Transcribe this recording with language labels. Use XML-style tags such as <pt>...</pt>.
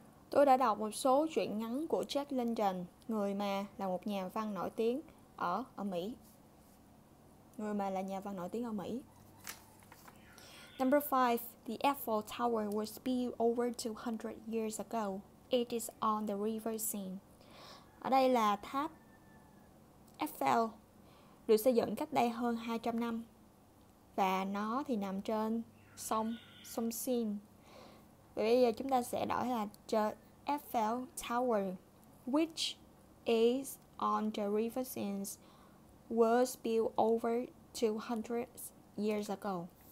<vi>Tôi đã đọc một số truyện ngắn của Jack London, người mà là một nhà văn nổi tiếng ở Mỹ. Người mà là nhà văn nổi tiếng ở Mỹ.</vi> <en>Number 5, the Eiffel Tower was built over 200 years ago. It is on the River Seine.</en> <vi>Ở đây là tháp Eiffel được xây dựng cách đây hơn 200 năm. Và nó thì nằm trên sông Seine. Bây giờ chúng ta sẽ đổi là</vi> <en>The Eiffel Tower, which is on the River Seine, was built over 200 years ago.</en>